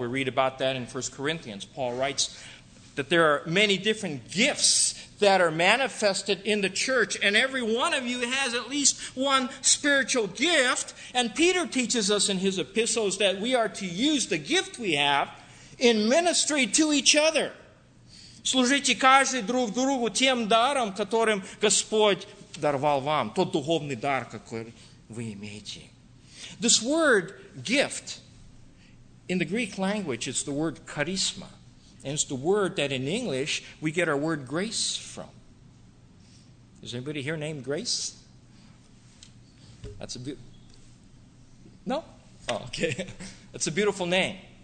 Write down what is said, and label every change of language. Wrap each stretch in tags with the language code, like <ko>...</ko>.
<en>We read about that in 1 Corinthians. Paul writes that there are many different gifts that are manifested in the church, and every one of you has at least one spiritual gift. And Peter teaches us in his epistles that we are to use the gift we have in ministry to each other.</en> <ru>Служите каждый друг другу тем даром, которым Господь даровал вам, тот духовный дар, который вы имеете.</ru> <en>This word gift in the Greek language is the word charisma. And it's the word that in English we get our word grace from. Is anybody here named Grace? That's a No? Oh, okay. That's a beautiful name.</en>